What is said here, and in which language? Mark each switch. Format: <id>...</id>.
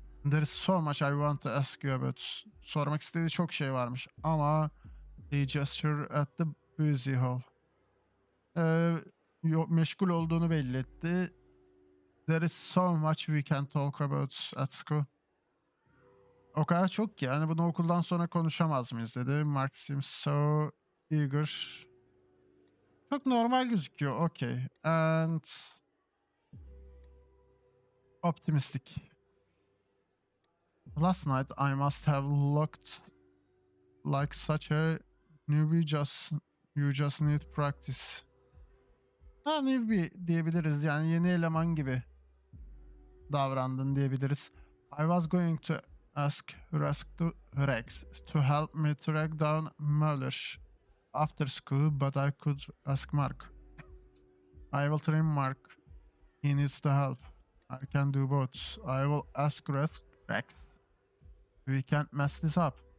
<en>There is so much I want to ask you about.</en> <tr>Sormak istediği çok şey varmış ama</tr> <en>he gestured at the busy hall.</en> <tr>Meşgul olduğunu belli etti.</tr> <en>There is so much we can talk about at school.</en> <tr>O kadar çok ki yani bunu okuldan sonra konuşamaz mıyız dedi.</tr> <en>Mark seems so eager.</en> <tr>Çok normal gözüküyor.</tr> <en>Okay. And optimistic. Last night I must have looked like such a newbie. You just need practice.</en> <tr>Ha, newbie diyebiliriz. Yani yeni eleman gibi davrandın diyebiliriz.</tr> <en>I was going to ask Rex to help me track down Müller after school, but I could ask Mark. I will train Mark. He needs the help. I can do both. I will ask Rex. We can't mess this up.</en>